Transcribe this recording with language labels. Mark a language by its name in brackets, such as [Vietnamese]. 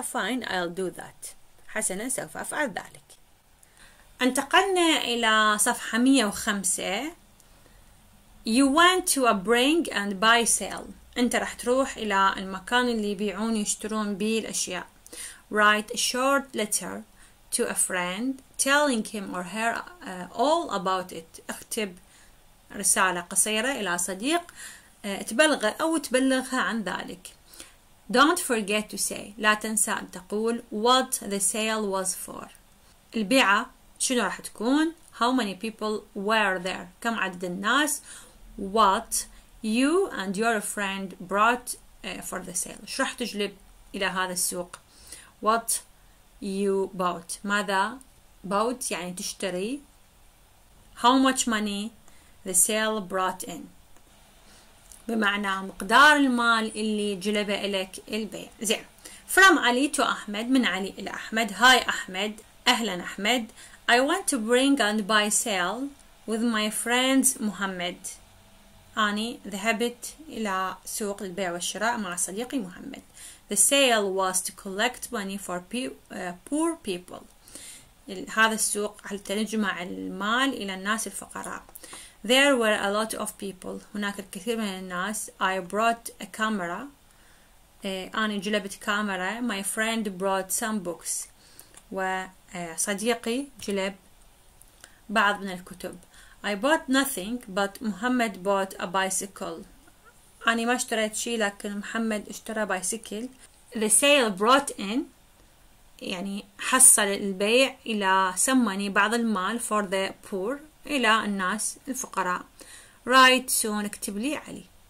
[English] Fine I'll do that [Arabic] حسنا سوف أفعل ذلك. انتقلنا إلى صفحة 105. [English] You went to a bring and buy sale. [Arabic] أنت راح تروح إلى المكان اللي يبيعون يشترون به الأشياء. [English] Write a short letter to a friend telling him or her all about it. [Arabic] اكتب رسالة قصيرة إلى صديق تبلغه أو تبلغها عن ذلك. [English] Don't forget to say. [Arabic] لا تنسى أن تقول [English] what the sale was for. [Arabic] البيعة شنو راح تكون. [English] How many people were there. [Arabic] كم عدد الناس. [English] What you and your friend brought for the sale. [Arabic] شو راح تجلب إلى هذا السوق. [English] What you bought. [Arabic] ماذا [English] bought [Arabic] يعني تشتري. [English] How much money the sale brought in. [Arabic] بمعنى مقدار المال اللي جلبه إليك البيع. زين. [English] From Ali to Ahmed. [Arabic] من علي إلى أحمد. [English] Hi Ahmed. [Arabic] أهلا أحمد. [English] I want to bring and buy sale. with my friends Mohammed. [Arabic] أني ذهبت إلى سوق البيع والشراء مع صديقي محمد. [English] The sale was to collect money for poor people. [Arabic] هذا السوق هل تجمع المال إلى الناس الفقراء. [English] There were a lot of people. [Arabic] هناك الكثير من الناس. [English] I brought a camera. [Arabic] أنا جلبت كاميرا. [English] My friend brought some books. [Arabic] وصديقي جلب بعض من الكتب. [English] I bought nothing, but Muhammad bought a bicycle. [Arabic] أنا ما اشتريت شيء لكن محمد اشترى بايسيكل. [English] The sale brought in, [Arabic] يعني حصل البيع إلى سمني بعض المال [English] for the poor, [Arabic] إلى الناس الفقراء. [English] Write soon, [Arabic] اكتب لي علي.